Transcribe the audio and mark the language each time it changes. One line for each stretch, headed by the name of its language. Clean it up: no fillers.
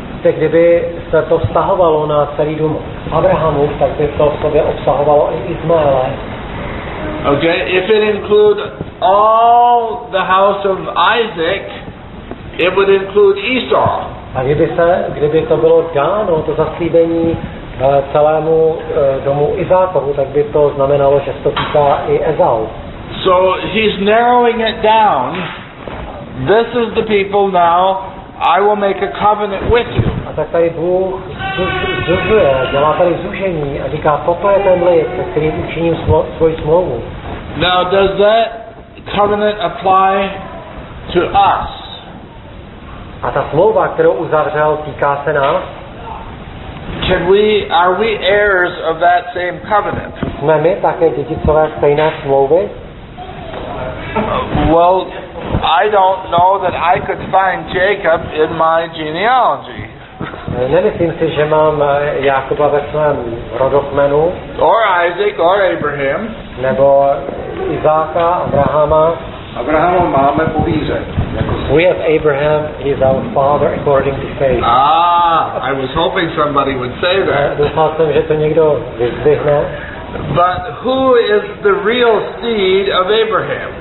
Czech: Tak kdyby se to vztahovalo na celý dům Abrahamu, tak by to v sobě obsahovalo i Izmaele.
English: Okay, if it include all the house of Isaac, it would include Esau.
Czech: A kdyby to bylo dáno, to zaslíbení celému domu Izákovu, tak by to znamenalo, že se to týká i Ezau.
English: So he's narrowing it down. This is the people now I will make a covenant with you.
Czech: A tak tady Bůh zužuje, dělá tady zužení a říká, toto je ten lid, se kterým učiním svoji smlouvu.
English: Now does that covenant apply to us?
Czech: A ta smlouva, kterou uzavřel, týká se nás?
English: Are we heirs of that same covenant?
Czech: Jsme my také dědicové stejné smlouvy?
English: Well, I don't know that I could find Jacob in my genealogy.
Czech: Nemyslím si, že mám Jakuba ve svém rodokmenu.
English: Or Isaac, or Abraham.
Czech: Nebo Izáka, Abrahama. Abrahama máme po víře.
English: We have Abraham, he is our father according to faith. I was hoping somebody would say that.
Czech: Doufal jsem, že to někdo vyzdvihne.
English: But who is the real seed of Abraham?